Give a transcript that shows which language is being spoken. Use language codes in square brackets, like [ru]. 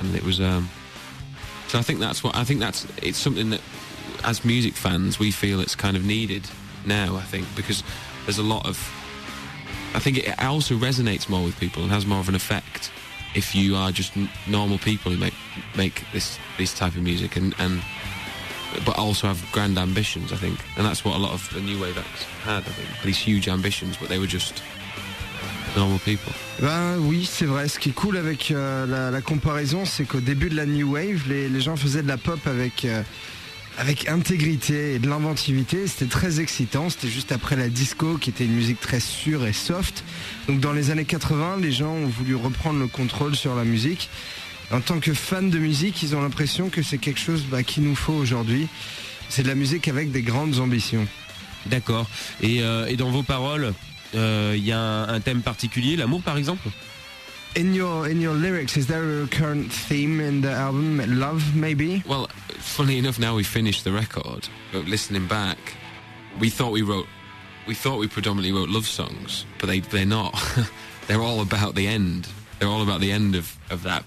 [en] And it was so I think that's it's something that as music fans we feel it's kind of needed now, I think, because there's a lot of, I think it also resonates more with people and has more of an effect if you are just normal people who make this type of music and but also have grand ambitions, I think, and that's what a lot of the new wave acts had, I think, these huge ambitions, but they were just normal people. [fr] Ben oui, c'est vrai. Ce qui est cool avec la comparaison, c'est qu'au début de la new wave, les gens faisaient de la pop avec intégrité et de l'inventivité, c'était très excitant, c'était juste après la disco qui était une musique très sûre et soft. Donc dans les années 80, les gens ont voulu reprendre le contrôle sur la musique. En tant que fans de musique, ils ont l'impression que c'est quelque chose qui nous faut aujourd'hui. C'est de la musique avec des grandes ambitions. D'accord. Et dans vos paroles, il y a un thème particulier, l'amour par exemple ? [en] In your lyrics, is there a recurrent theme in the album? Love, maybe? Well, funny enough, now we finished the record, but listening back, we thought we predominantly wrote love songs, but they're not. They're all about the end. They're all about the end of that.